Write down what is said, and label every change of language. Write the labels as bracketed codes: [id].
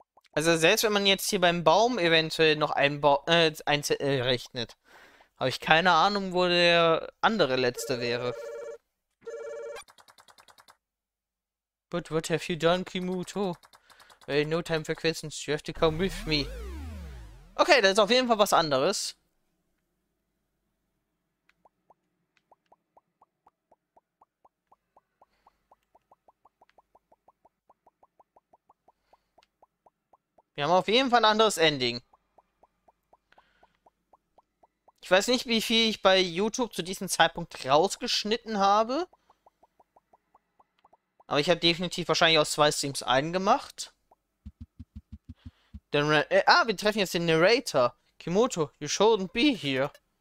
[de] Also selbst wenn man jetzt hier beim Baum eventuell noch ein Zettel rechnet, habe ich keine Ahnung, wo der andere letzte wäre. [en] But what have you done, Kimuto? Well, no time for questions. You have to come with me. [de] Okay, das ist auf jeden Fall was anderes. Wir haben auf jeden Fall ein anderes Ending. Ich weiß nicht, wie viel ich bei YouTube zu diesem Zeitpunkt rausgeschnitten habe. Aber ich habe definitiv wahrscheinlich aus zwei Streams einen gemacht. Wir treffen jetzt den Narrator. [en] Kimoto, you shouldn't be here.